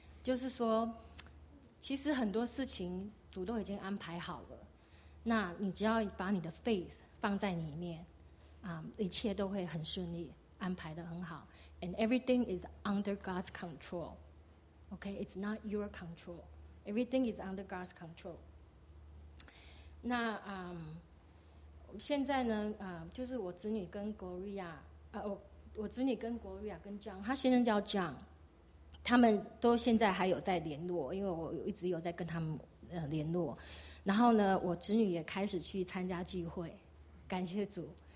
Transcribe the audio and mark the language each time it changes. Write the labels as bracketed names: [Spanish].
[Chinese] 就是说，其实很多事情主都已经安排好了，那你只要把你的 faith 放在里面，一切都会很顺利，安排得很好。 [English] And everything is under God's control. Okay, it's not your control. Everything is under God's control. [Chinese] 那现在呢，就是我子女跟 Gloria， 我子女跟 Gloria 跟 John， 他先生叫 John， 他们都现在还有在联络，因为我一直有在跟他们联络。然后呢，我子女也开始去参加聚会，感谢主。